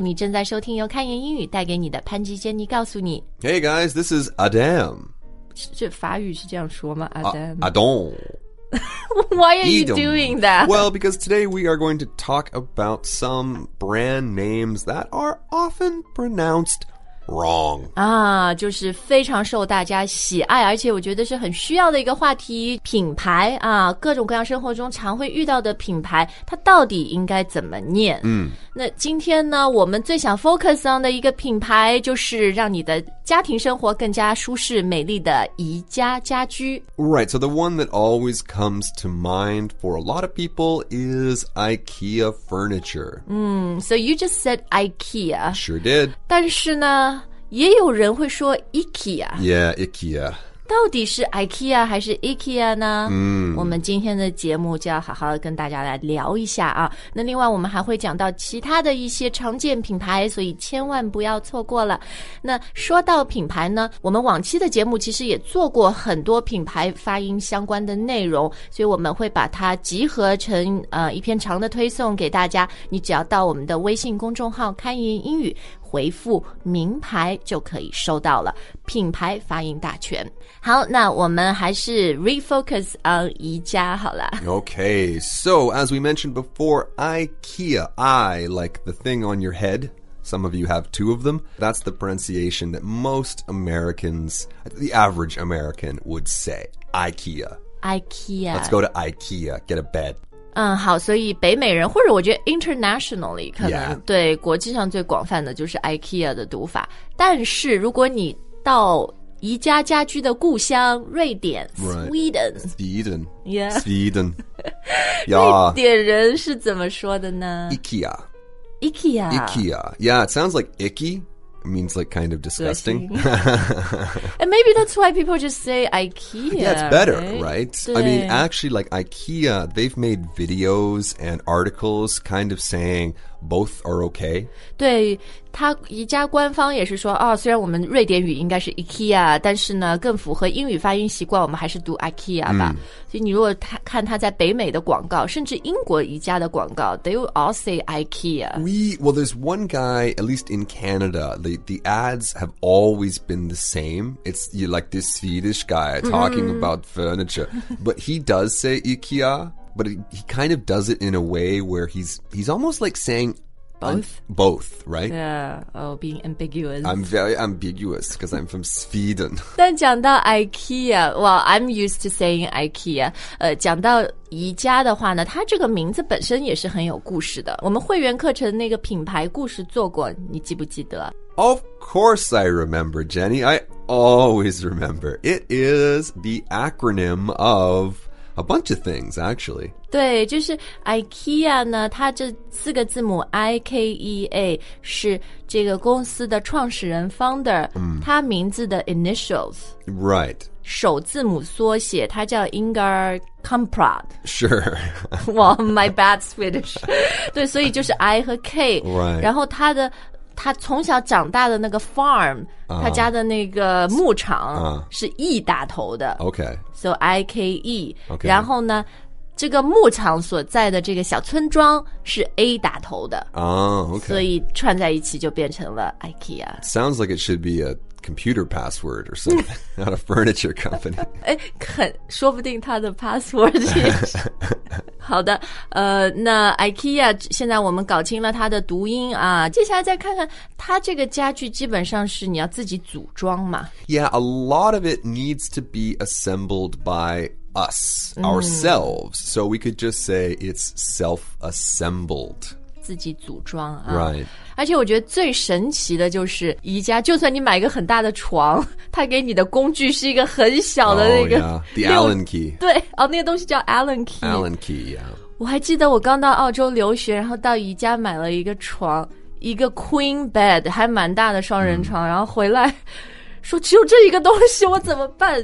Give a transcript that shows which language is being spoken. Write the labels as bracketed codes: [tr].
[zh] 你正在收听由看言英语带给你的潘吉 Jenny 告诉你。 [en] Hey guys, this is Adam. [zh] 这法语是这样说吗 ？Adam. [en] Adam. Why are you doing that? Well, because today we are going to talk about some brand names that are often pronounced wrong. [zh] 啊，就是非常受大家喜爱，而且我觉得是很需要的一个话题。品牌啊，各种各样生活中常会遇到的品牌，它到底应该怎么念？那今天呢，我们最想 [en] focus on [zh] 的一个品牌，就是让你的家庭生活更加舒适美丽的宜家家居。 [en] Right, so the one that always comes to mind for a lot of people is IKEA furniture. So you just said IKEA. Sure did. [zh] 但是呢，也有人会说 IKEA. [en] Yeah, IKEA. [zh] 到底是 IKEA 还是 IKEA 呢？我们今天的节目就要好好的跟大家来聊一下啊。那另外我们还会讲到其他的一些常见品牌，所以千万不要错过了。那说到品牌呢，我们往期的节目其实也做过很多品牌发音相关的内容，所以我们会把它集合成一篇长的推送给大家。你只要到我们的微信公众号看言英语回复名牌就可以收到了品牌发音大全。好，那我们还是 [en] refocus on [zh] 宜家好了。 [en] Okay, so as we mentioned before, IKEA, I like the thing on your head. Some of you have two of them. That's the pronunciation that most Americans, the average American would say, IKEA. IKEA. Let's go to IKEA, get a bed. [zh] 好，所以北美人或者我觉得 internationally 可能对国际上最广泛的就是 IKEA 的读法。但是如果你到宜家家居的故乡瑞典 Sweden, [en] Sweden, yeah. Sweden, [zh] yeah. 瑞典人是怎么说的呢 [en] IKEA, IKEA, IKEA, yeah, it sounds like icky. It means like kind of disgusting. And maybe that's why people just say IKEA. Yeah, it's better, right? I mean, actually, like IKEA, they've made videos and articles kind of saying both are okay. [zh] 对，他宜家官方也是说，哦，虽然我们瑞典语应该是 IKEA, 但是呢，更符合英语发音习惯，我们还是读 IKEA 吧。所以你如果看他在北美的广告，甚至英国宜家的广告 ， [en] they all say IKEA. Well, there's one guy, at least in Canada, the ads have always been the same. It's like this Swedish guy talking about furniture, but he does say IKEA. But he kind of does it in a way where he's almost like saying both, both, right? Yeah. Oh, being ambiguous. I'm very ambiguous because I'm from Sweden. [zh] 但讲到 [en] IKEA, well, I'm used to saying IKEA. [zh] 讲到宜家的话呢，它这个名字本身也是很有故事的。我们会员课程那个品牌故事做过，你记不记得？ [en] Of course I remember, Jenny. I always remember. It is the acronym of... A bunch of things, actually. [zh] 对，就是 IKEA 呢，它这四个字母 IKEA 是这个公司的创始人 founder， 他名字的 initials. [en] Right. [zh] 首字母缩写，他叫 Ingvar Kamprad. [en] Sure. Well, my bad Swedish. [zh] 对，所以就是 I 和 K. [en] Right. [zh] 然后他的他从小长大的那个 farm,他家的那个牧场是 E 打头的。 [en] Okay. So IKE. Okay. [zh] 然后呢，这个牧场所在的这个小村庄是 A 打头的。 [en] Okay. [zh] 所以串在一起就变成了 IKEA. [en] Sounds like it should be a computer password or something, not a furniture company. [zh] 哎，肯，说不定他的 password 也是。好的，那 IKEA 现在我们搞清了它的读音啊，接下来再看看它这个家具基本上是你要自己组装嘛。 [en] Yeah, a lot of it needs to be assembled by us, ourselves. So we could just say it's self-assembled. [zh] 自己组装啊。 [en] Right. [zh] 而且我觉得最神奇的就是宜家，就算你买一个很大的床，它给你的工具是一个很小的那个。 [en] Oh, yeah. The Allen key. [zh] 对。哦，那个东西叫 Allen key. [en] Allen key, yeah. [zh] 我还记得我刚到澳洲留学，然后到宜家买了一个床，一个 queen bed, 还蛮大的双人床，然后回来说只有这一个东西，我怎么办？